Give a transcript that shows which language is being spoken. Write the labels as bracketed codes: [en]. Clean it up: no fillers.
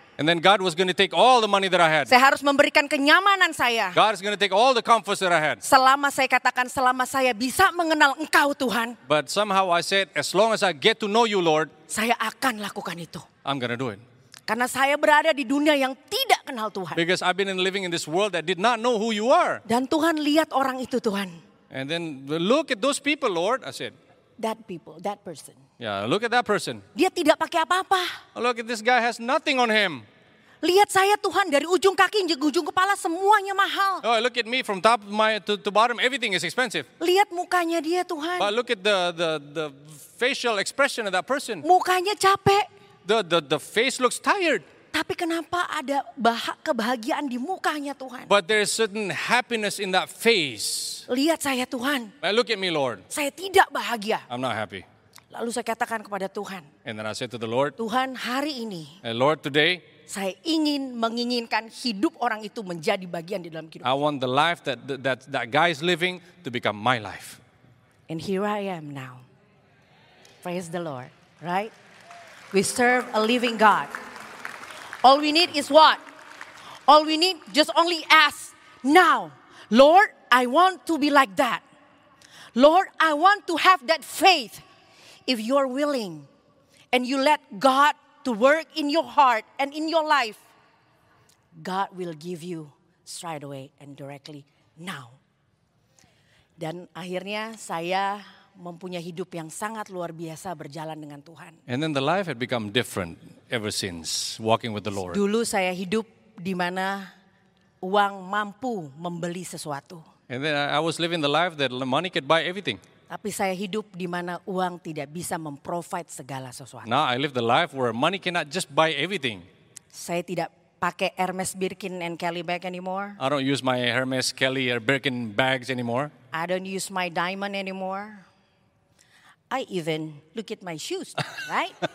[en] And then God was going to take all the money that I had. [id] Saya harus memberikan kenyamanan saya. [en] God is going to take all the comforts that I had. [id] Selama saya katakan, selama saya bisa mengenal Engkau Tuhan. [en] But somehow I said, as long as I get to know you Lord. [id] Saya akan lakukan itu. [en] I'm going to do it. [id] Karena saya berada di dunia yang tidak kenal Tuhan. [en] Because I've been living in this world that did not know who you are. [id] Dan Tuhan lihat orang itu, Tuhan. [en] And then look at those people, Lord, I said. That people, that person. Yeah, look at that person. [id] Dia tidak pakai apa-apa. [en] Look at this guy has nothing on him. [id] Lihat saya, Tuhan, dari ujung kaki hingga ujung kepala semuanya mahal. [en] Oh, look at me from top to bottom, everything is expensive. [id] Lihat mukanya dia, Tuhan. [en] But look at the facial expression of that person. [id] Mukanya capek. [en] The face looks tired. [id] Tapi kenapa ada kebahagiaan di mukanya Tuhan? [en] But there's certain happiness in that face. [id] Lihat saya Tuhan. [en] But look at me Lord. [id] Saya tidak bahagia. [en] I'm not happy. [id] Lalu saya katakan kepada Tuhan. [en] And then I said to the Lord. [id] Tuhan hari ini. [en] Lord today. [id] Saya ingin menginginkan hidup orang itu menjadi bagian di dalam hidup. [en] I want the life that guy is living to become my life. And here I am now. Praise the Lord. Right? We serve a living God. All we need is what? All we need, just only ask now. Lord, I want to be like that. Lord, I want to have that faith. If you're willing and you let God to work in your heart and in your life, God will give you straight away and directly now. [id] Dan akhirnya saya mempunyai hidup yang sangat luar biasa berjalan dengan Tuhan. [en] And then the life had become different ever since walking with the Lord. [id] Dulu saya hidup di mana uang mampu membeli sesuatu. [en] And then I was living the life that money could buy everything. [id] Tapi saya hidup di mana uang tidak bisa memprovide segala sesuatu. [en] Now I live the life where money cannot just buy everything. [id] Saya tidak pakai Hermes Birkin and Kelly bag [en] anymore. I don't use my Hermes, Kelly or Birkin bags anymore. I don't use my diamond anymore. I even look at my shoes, right?